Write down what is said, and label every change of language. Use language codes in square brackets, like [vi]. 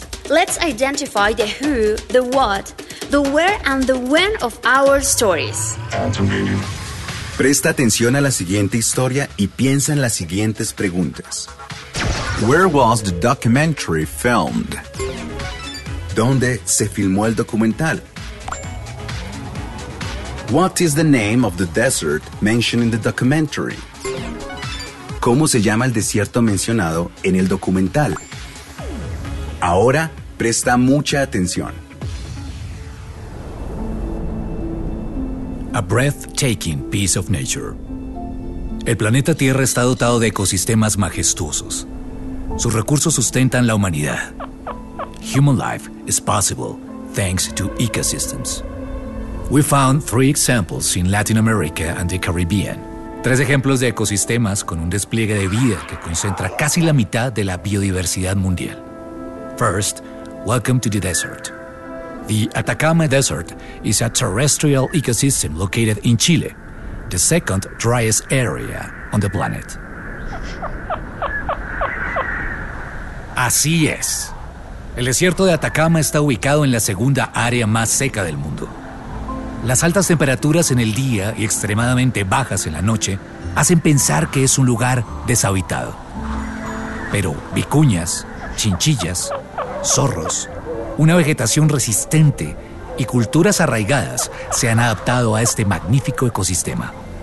[en] Let's identify the who, the what, the where and the when of our stories. [es] Presta atención a la siguiente historia y piensa en las siguientes preguntas. [en] Where was the documentary filmed? [es] ¿Dónde se filmó el documental? [en] What is the name of the desert mentioned in the documentary? [es] ¿Cómo se llama el desierto mencionado en el documental? Ahora, presta mucha atención. [en] A breathtaking piece of nature. [es] El planeta Tierra está dotado de ecosistemas majestuosos. Sus recursos sustentan la humanidad. [en] Human life is possible thanks to ecosystems. We found three examples in Latin America and the Caribbean. [es] Tres ejemplos de ecosistemas con un despliegue de vida que concentra casi la mitad de la biodiversidad mundial. [en] First, welcome to the desert. The Atacama Desert is a terrestrial ecosystem located in Chile, the second driest area on the planet. [es] Así es. El desierto de Atacama está ubicado en la segunda área más seca del mundo. Las altas temperaturas en el día y extremadamente bajas en la noche hacen pensar que es un lugar deshabitado. Pero vicuñas, chinchillas, zorros, una vegetación resistente y culturas arraigadas se han adaptado a este magnífico ecosistema.